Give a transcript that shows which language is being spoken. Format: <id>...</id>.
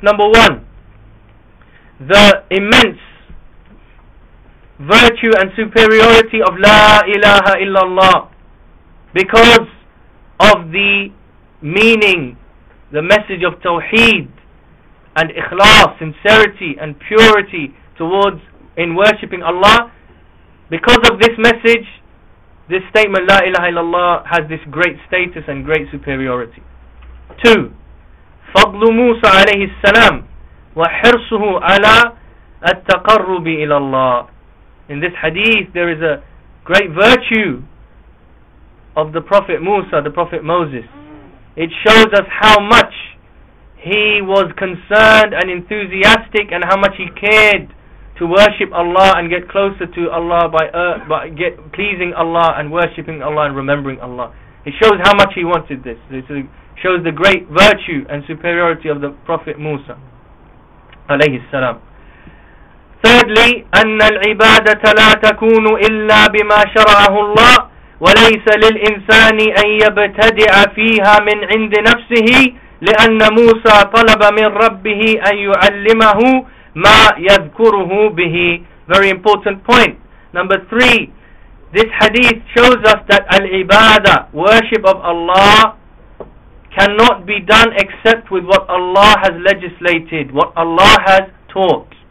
<en>Number one, the immense virtue and superiority of La ilaha illallah, because of the meaning, the message of Tawheed and ikhlas, sincerity and purity towards in worshipping Allah. Because of this message, this statement La ilaha illallah has this great status and great superiority. Two,</en> <ar>فضل موسى عليه السلام وحرصه على التقرب إلى الله.</ar> <en>In this hadith there is a great virtue of the Prophet Musa, the Prophet Moses. It shows us how much he was concerned and enthusiastic, and how much he cared to worship Allah and get closer to Allah by pleasing Allah and worshipping Allah and remembering Allah. It shows how much he wanted this. Shows the great virtue and superiority of the Prophet Musa alayhi salam. Thirdly,</en> <ar>أن العبادة لا تكون إلا بما شرعه الله وليس للإنسان أن يبتدع فيها من عند نفسه لأن موسى طلب من ربه أن يعلمه ما يذكره به.</ar> <en>Very important point. Number three, this hadith shows us that al-ibada, worship of Allah, cannot be done except with what Allah has legislated, what Allah has taught.</en>